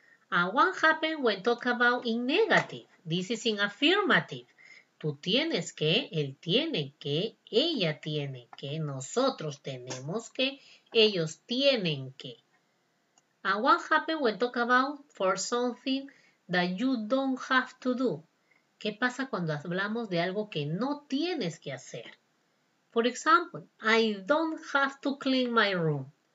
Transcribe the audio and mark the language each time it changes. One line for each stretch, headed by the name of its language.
English: And what happens when talk about in negative? This is in affirmative.
Spanish: Tú tienes que, él tiene que, ella tiene que, nosotros tenemos que, ellos tienen que.
English: And what happens when talk about for something that you don't have to do?
Spanish: ¿Qué pasa cuando hablamos de algo que no tienes que hacer?
English: For example, I don't have to clean my room.